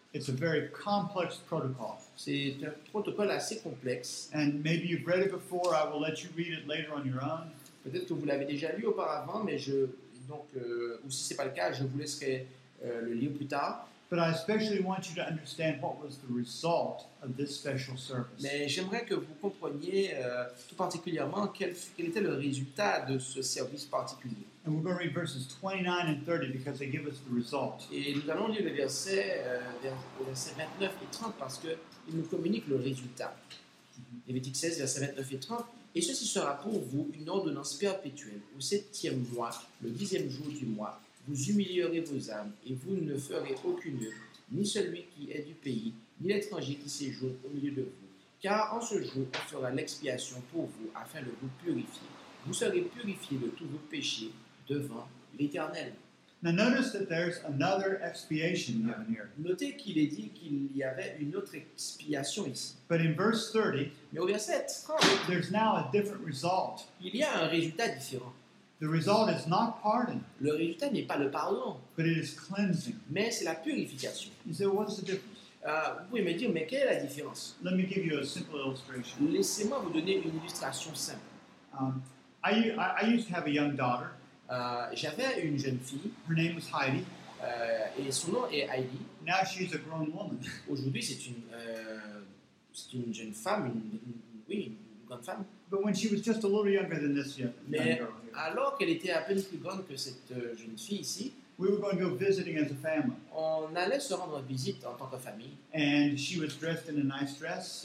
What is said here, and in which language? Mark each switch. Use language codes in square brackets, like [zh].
[en] It's a very complex protocol. [fr] C'est un protocole assez complexe. [en] And maybe you've read it before. I will let you read it later on your own. [fr] Peut-être que vous l'avez déjà lu auparavant, mais ou si c'est pas le cas, je vous laisserai le lire plus tard. [en] But I especially want you to understand what was the result of this special service. [fr] Mais j'aimerais que vous compreniez tout particulièrement quel était le résultat de ce service particulier. [en] And we're going to read verses 29 and 30 because they give us the result. [fr] Et nous allons lire les versets 29 et 30 parce que ils nous communiquent le résultat. Lévitique 16, versets 29 et 30. Et ceci sera pour vous une ordonnance perpétuelle au septième mois, le dixième jour du mois. Vous humilierez vos âmes et vous ne ferez aucune œuvre, ni celui qui est du pays, ni l'étranger qui séjourne au milieu de vous. Car en ce jour, il fera l'expiation pour vous afin de vous purifier. Vous serez purifiés de tous vos péchés devant l'Éternel. [en] Now notice that there's another expiation given here. [fr] Notez qu'il est dit qu'il y avait une autre expiation ici. [en] But in verse 30, [fr] mais au verset 30, [en] there's now a different result. [fr] Il y a un résultat différent. [en] The result is not pardon. [fr] Le résultat n'est pas le pardon. [en] But it is cleansing. [fr] Mais c'est la purification. [en] You say, what's the difference? [fr] Vous pouvez me dire, mais quelle est la différence? [en] Let me give you a simple illustration. [fr] Laissez-moi vous donner une illustration simple. [en] I used to have a young daughter. [fr] J'avais une jeune fille. [en] Her name was Heidi. [fr] Et son nom est Heidi. [en] Now she is a grown woman. [fr] Aujourd'hui, c'est une jeune femme, une grande femme. [en] But when she was just a little younger than this young girl. [fr] Mais alors qu'elle était à peine plus grande que cette jeune fille ici, [en] we were going to go visiting as a family. [fr] On allait se rendre visite en tant que famille. [en] And she was dressed in a nice dress.